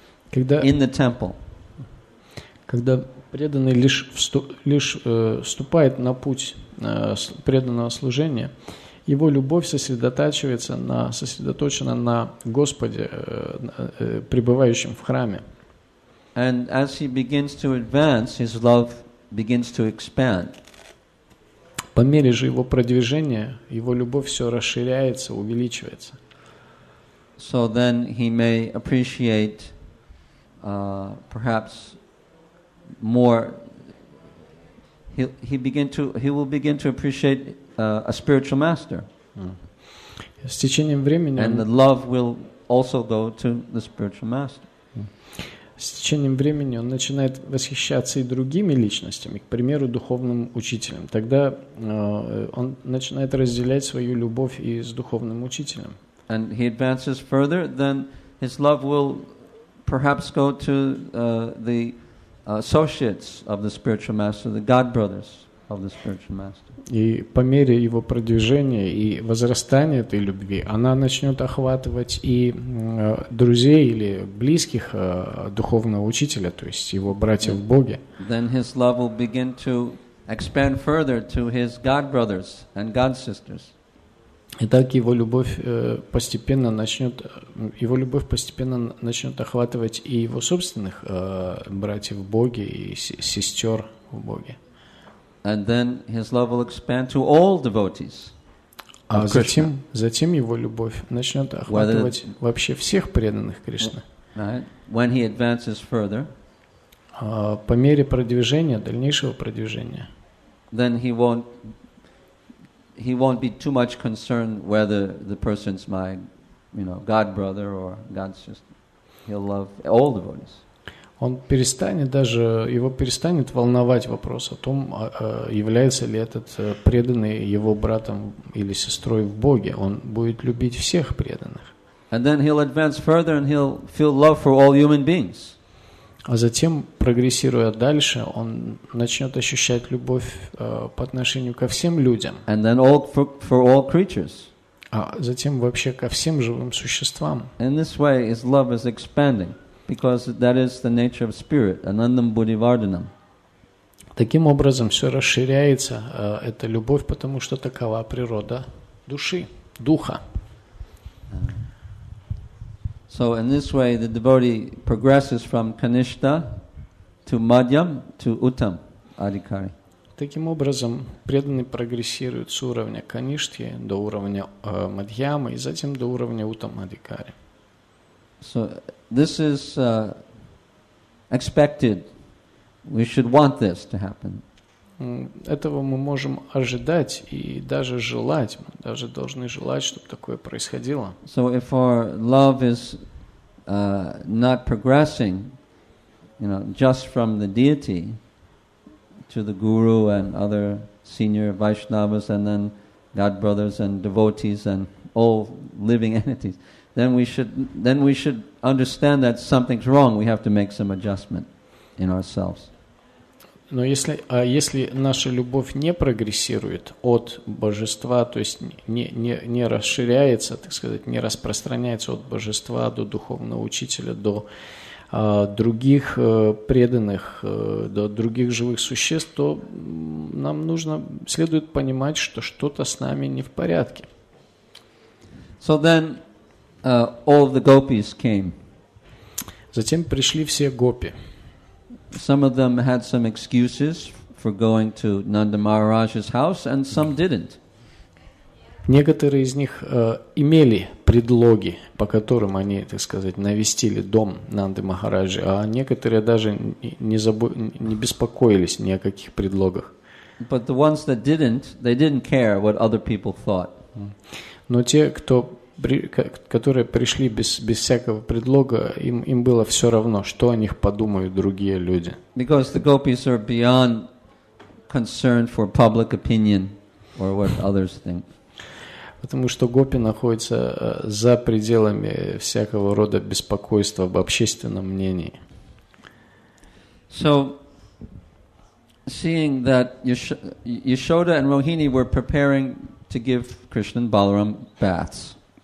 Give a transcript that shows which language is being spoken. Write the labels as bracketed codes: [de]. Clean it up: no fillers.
[ru] Когда [en] in the temple. [ru] Когда преданный лишь вступает на путь преданного служения, его любовь сосредоточена на Господе, пребывающем в храме. [en] And as he begins to advance, his love begins to expand. [ru] По мере же его продвижения, его любовь все расширяется, увеличивается. [en] So then he may appreciate perhaps more. He will begin to appreciate a spiritual master. [ru] С течением времени. [en] And the love will also go to the spiritual master. [ru] С течением времени он начинает восхищаться и другими личностями, к примеру, духовным учителем. Тогда он начинает разделять свою любовь и с духовным учителем. [en] And he advances further, then his love will perhaps go to the associates of the spiritual master, the god brothers of the spiritual master. [ru] И по мере его продвижения и возрастания этой любви, она начнет охватывать и друзей или близких духовного учителя, то есть его братьев в Боге. [en] Then his love will begin to expand further to his god brothers and god sisters. [ru] И так его любовь постепенно начнет охватывать и его собственных братьев в Боге и сестер в Боге. [en] And then his love will expand to all devotees. [ru] А затем его любовь начнет охватывать вообще всех преданных Кришны. [en] When he advances further, [ru] по мере продвижения, дальнейшего продвижения, [en] then he won't be too much concerned whether the person's my, you know, god brother or god sister. He'll love all devotees. [ru] Он перестанет даже, его перестанет волновать вопрос о том, является ли этот преданный его братом или сестрой в Боге. Он будет любить всех преданных. [en] And then he'll advance further and he'll feel love for all human beings. [ru] А затем, прогрессируя дальше, он начнет ощущать любовь по отношению ко всем людям. [en] And then all for all creatures. [ru] А затем вообще ко всем живым существам. [en] In this way his love is expanding. Because that is the nature of spirit, [sa] Anandam Buddhivardhanam. [ru] Таким образом, все расширяется эта любовь, потому что такова природа души, духа. [en] So in this way, the devotee progresses from Kanishta to Madhyam to Uttam Adhikari. [ru] Таким образом, преданный прогрессирует с уровня Каништхи до уровня Мадхьямы и затем до уровня Уттам Адхикари. [en] So this is expected. We should want this to happen. [ru] Этого мы можем ожидать и даже желать. Мы даже должны желать, чтобы такое происходило. [en] So if our love is not progressing, you know, just from the deity to the guru and other senior Vaishnavas and then god brothers and devotees and all living entities, then we should understand that something's wrong. We have to make some adjustment in ourselves. [ru] Но если, а если наша любовь не прогрессирует от Божества, то есть не расширяется, так сказать, не распространяется от Божества до духовного учителя, до других преданных, до других живых существ, то нам нужно, следует понимать, что что-то с нами не в порядке. [en] So then, all the gopis came. [ru] Затем пришли все гопи. [en] Some of them had some excuses for going to Nanda Maharaj's house, and some didn't. [ru] Некоторые из них имели предлоги, по которым они, так сказать, навестили дом Нанды Махараджи, а некоторые даже не беспокоились ни о каких предлогах. [en] But the ones that didn't, they didn't care what other people thought. [ru] Но те, кто которые пришли без всякого предлога, им было все равно, что о них подумают другие люди. [en] Because the gopis are beyond concern for public opinion or what others think. [ru] Потому что гопи находятся за пределами всякого рода беспокойства об общественном мнении. [en] So, seeing that Yashoda and Rohini were preparing to give Krishna and Balaram baths.